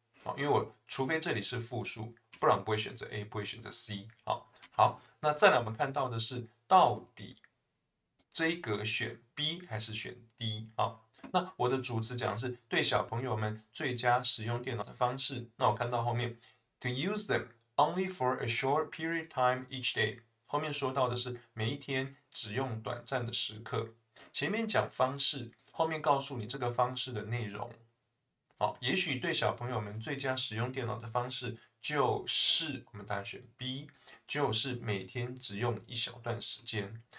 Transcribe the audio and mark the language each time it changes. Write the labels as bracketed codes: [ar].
[zh] 好，因为我除非这里是复数，不然不会选择 A，不会选择 C。好，那再来我们看到的是，到底这一格选 B 还是选 D？那我的主词讲的是对小朋友们最佳使用电脑的方式。那我看到后面， [en] to use them only for a short period time each day。 [zh] 后面说到的是每一天只用短暂的时刻，前面讲方式，后面告诉你这个方式的内容。好，也许对小朋友们最佳使用电脑的方式就是我们答案选 B，就是每天只用一小段时间。